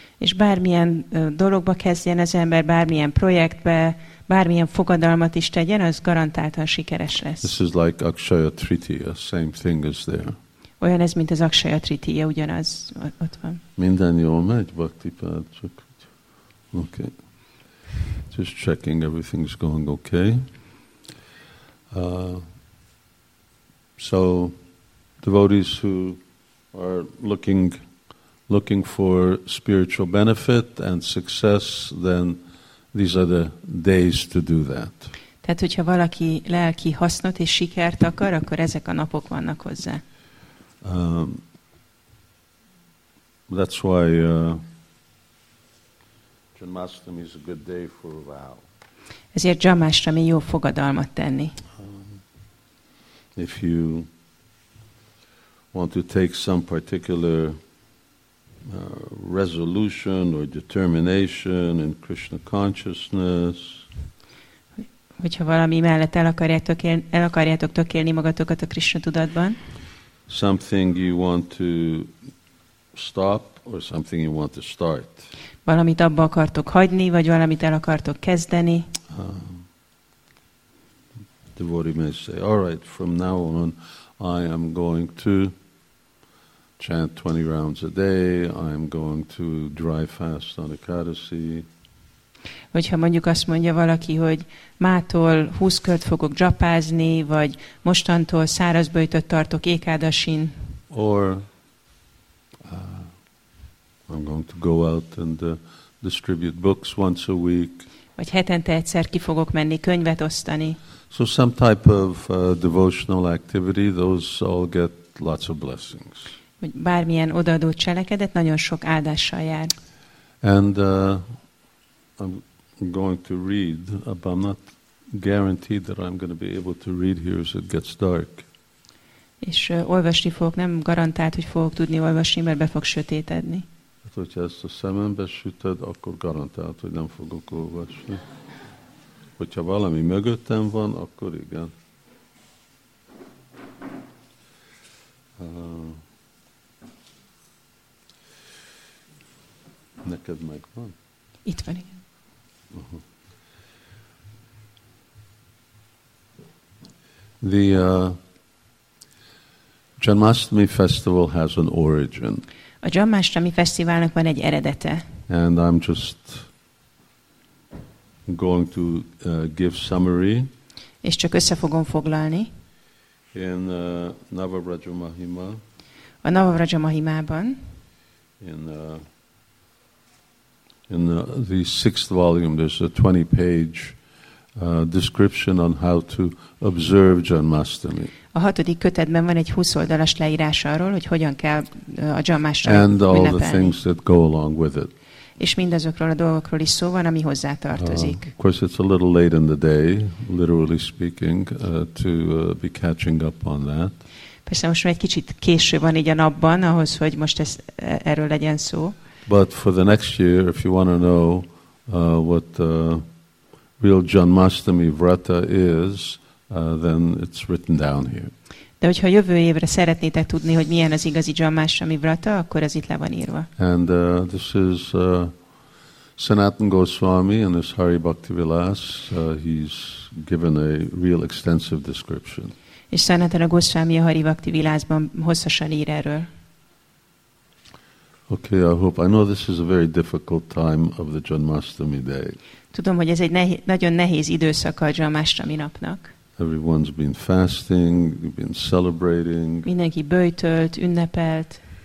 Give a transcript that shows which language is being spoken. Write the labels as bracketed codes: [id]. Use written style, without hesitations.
[hu] És bármilyen dologba kezdjen az ember, bármilyen projektbe, bármilyen fogadalmat is tegyen, az garantáltan sikeres lesz. [en] This is like Akshaya Tritiya, same thing is there. [hu] Olyan ez, mint az Akshaya Tritiya, ugyanaz ott van. Minden jól megy, Bhakti Pád, csak úgy. [en] Okay. Just checking, everything's going okay. So, devotees who are looking for spiritual benefit and success, then these are the days to do that. [hu] Tehát, hogyha valaki lelki hasznot és sikert akar, akkor ezek a napok vannak hozzá. [en] That's why Janmashtami is a good day for a vow. [hu] Ezért Janmashtami jó fogadalmat tenni. [en] If you want to take some particular resolution or determination in Krishna consciousness. [hu] Hogyha valami mellett el akarjátok tökélni magatokat a Krishna tudatban. [en] Something you want to stop or something you want to start. [hu] Valamit abba akartok hagyni, vagy valamit el akartok kezdeni. [en] The devotee may say, all right, from now on, I am going to chant 20 rounds a day, I am going to drive fast on Ekadasi. [hu] Hogyha mondjuk azt mondja valaki, hogy mától 20 kört fogok japázni, vagy mostantól szárazböjtöt tartok Ekadasin. [en] Or, I'm going to go out and distribute books once a week. [hu] Vagy hetente egyszer ki fogok menni könyvet osztani. [en] So some type of devotional activity, those all get lots of blessings. [hu] Hogy bármilyen odaadó cselekedet nagyon sok áldással jár. [en] And I'm going to read, but I'm not guaranteed that I'm going to be able to read here as it gets dark. [hu] És olvasni fogok, nem garantált, hogy fogok tudni olvasni, mert be fog sötétedni. Hát, hogyha ezt a szemembe süted, akkor garantált, hogy nem fogok olvasni. Hogyha valami mögöttem van, akkor igen. Neked megvan? Itt van, igen. [en] The Janmashtami festival has an origin. [hu] A Janmashtami fesztiválnak van egy eredete. [en] And I'm just going to give summary. [hu] És csak össze fogom foglalni. [en] In Navavraja Mahima. [hu] A Navavraja Mahimában. [en] In the sixth volume, there's a 20-page description on how to observe Janmashtami. [hu] A hatodik kötetben van egy 20 oldalas leírás arról, hogy hogyan kell a Janmashtami ünnepelni. [en] And all the things that go along with it. [hu] És mindazokról a dolgokról is szó van, ami hozzá tartozik. [en] Of course, it's a little late in the day, literally speaking, to be catching up on that. [hu] Persze most már egy kicsit késő van így a napban, ahhoz, hogy most ez erről legyen szó. [en] But for the next year, if you want to know what real Janmashtami Vrata is, then it's written down here. [hu] De hogyha jövő évre szeretnétek tudni, hogy milyen az igazi Janmashtami Vrata, akkor ez itt le van írva. [en] And this is Sanatan Goswami and his Hari Bhakti Vilas. He's given a real extensive description. [hu] És Sanatana Goswami a Hari Bhakti Vilasban hosszasan ír erről. [en] Okay, I hope. I know this is a very difficult time of the Janmashtami day. [hu] Tudom, hogy ez egy nagyon nehéz időszaka a Janmashtami napnak. [en] Everyone's been fasting, been celebrating. [hu] Mindenki böjtölt, ünnepelt.